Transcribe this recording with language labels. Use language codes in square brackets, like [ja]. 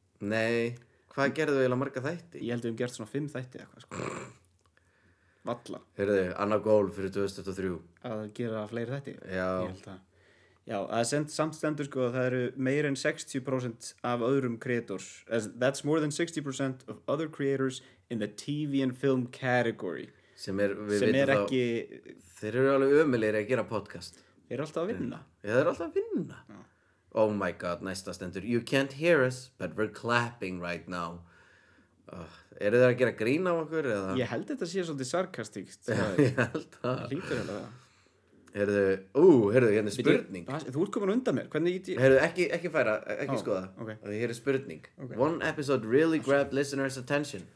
[is] Nei, hvað gerðu við að marga þætti? Ég held við gert svona 5 þætti eitthvað, sko. Valla. Hérðu, annar gól fyrir 2023. Að gera fleiri þætti? Já. Ég held að. Já, að send, samt stendur, sko, það eru meir en 60% af öðrum creators. [en] That's more than 60% of other creators in the TV and film category. [is] Sem er, við sem er ekki... Þá... Þeir eru alveg ömulegir að gera podcast. Þeir eru alltaf að vinna. Þeir eru alltaf að vinna. Já. [en] Oh my god, [is] næsta stendur. [en] You can't hear us, but we're clapping right now. [is] Eru þeir að gera grín á okkur? Eða? Ég held þetta sé svolítið sarkastíkt. Ég held það. Lítur hérna það. Heyrðu, hérna spurning. Þú ert komin undan mér. Hvernig ég... Heyrðu, ekki færa, ekki skoða. Ok. Hér er spurning. [en] Okay. One episode really grabbed listeners' attention.